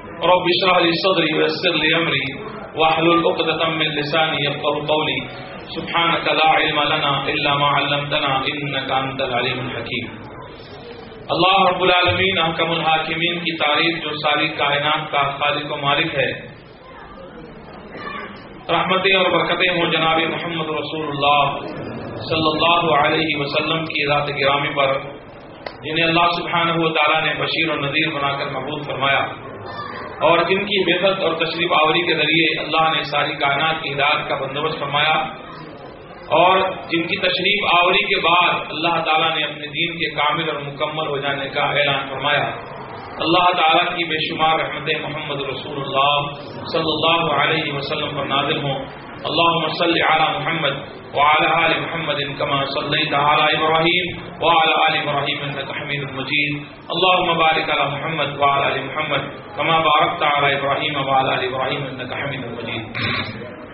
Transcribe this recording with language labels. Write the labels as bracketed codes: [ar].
[ar] رب اشرح لي صدري ويسر لي أمري واحلل عقدة من لساني يفقهوا قولي. سبحانك لا علم لنا إلا ما علمتنا إنك أنت العليم الحكيم. [ur] اللہ رب العالمین احکم الحاکمین کی تعریف جو ساری کائنات کا خالق و مالک ہے، رحمتیں اور برکتیں ہوں جناب محمد رسول اللہ صلی اللہ علیہ وسلم کی ذات گرامی پر، جنہیں اللہ سبحانہ و تعالیٰ نے بشیر و نذیر بنا کر محبوب فرمایا، اور جن کی بعثت اور تشریف آوری کے ذریعے اللہ نے ساری کائنات کی ہدایت کا بندوبست فرمایا، اور جن کی تشریف آوری کے بعد اللہ تعالیٰ نے اپنے دین کے کامل اور مکمل ہو جانے کا اعلان فرمایا، اللہ تعالیٰ کی بے شمار رحمت محمد رسول اللہ صلی اللہ علیہ وسلم پر نازل ہوں۔ [ar] اللهم صل على محمد وعلى آل محمد كما صليت على إبراهيم وعلى آل إبراهيم إنك حميد مجيد. اللهم بارك على محمد وعلى آل محمد كما باركت على إبراهيم وعلى آل إبراهيم إنك حميد مجيد.